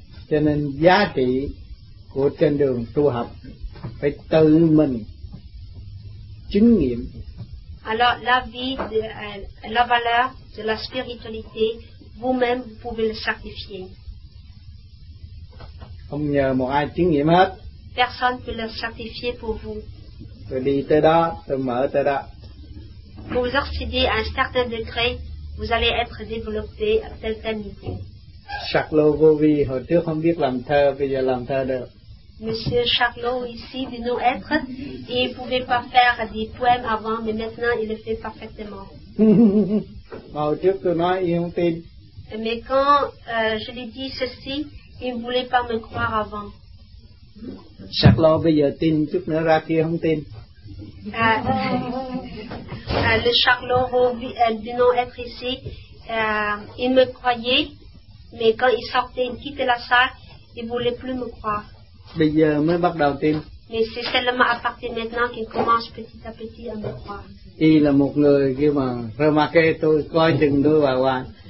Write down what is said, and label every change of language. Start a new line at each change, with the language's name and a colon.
Vietnamese: Cho nên giá trị của trên đường tu học phải tự mình chứng nghiệm.
French: Alors la vie, la valeur de la spiritualité, vous-même vous pouvez le certifier.
Vietnamese: Không nhờ một ai chứng nghiệm hết.
French: Personne peut le certifier pour vous.
Vietnamese: Tôi đi tới đó, tôi mở tới đó.
French: Vous accédez à un certain degré, vous allez être développé à tel niveau.
Vietnamese: Charlot Vovi, hồi trước không biết làm thơ, bây giờ làm thơ được.
French: Monsieur Charlot ici de nous être, il ne pouvait pas faire des poèmes avant, mais maintenant il le fait parfaitement.
Vietnamese: Hồi trước tôi nói,
French: il
Vietnamese: không tin.
French: Mais quand je lui dis ceci, il ne voulait pas me croire avant.
Vietnamese: Charlot, bây giờ tin, chút nữa ra kia không tin.
French: Le Charlot Vovi de nous être ici, il me croyait. Mais quand il sortait, il quittait la salle, il ne voulait plus me croire.
Vietnamese: Bây giờ mới bắt đầu tin.
French: Mais c'est seulement à partir de maintenant qu'il commence petit à petit à me croire. Il
Vietnamese: là một người kia mà
French: remarquer
Vietnamese: tôi, coi chừng tôi hoài hoài.